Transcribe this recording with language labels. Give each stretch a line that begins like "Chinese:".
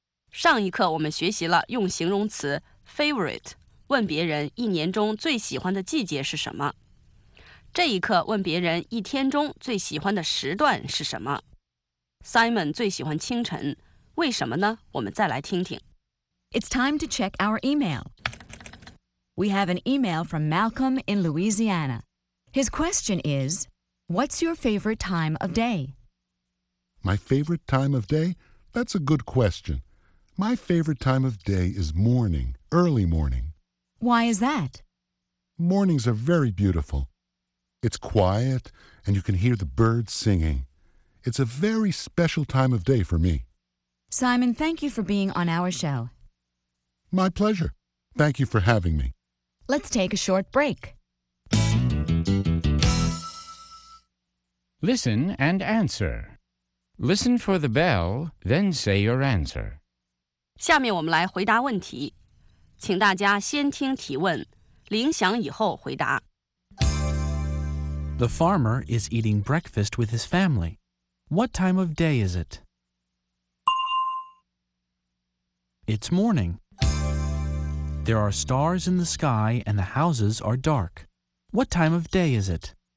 Chinese: 上一课我们学习了用形容词 favorite, 问别人一年中最喜欢的季节是什么。这一课问别人一天中最喜欢的时段是什么。 Simon 最喜欢清晨,为什么呢? 我们再来听听。
English: It's time to check our email. We have an email from Malcolm in Louisiana. His question is, what's your favorite time of day? My favorite time of day? That's a good question. My favorite time of day is morning, early morning. Why is that? Mornings are very beautiful. It's quiet, and you can hear the birds singing. It's a very special time of day for me. Simon, thank you for being on our show. My pleasure. Thank you for having me. Let's take a short break. Listen and answer. Listen for the bell, then say your answer.
Chinese: 下面我们来回答问题。请大家先听提问，铃响以后回答。
English: The farmer is eating breakfast with his family. What time of day is it? It's morning. There are stars in the sky and the houses are dark. What time of day is it?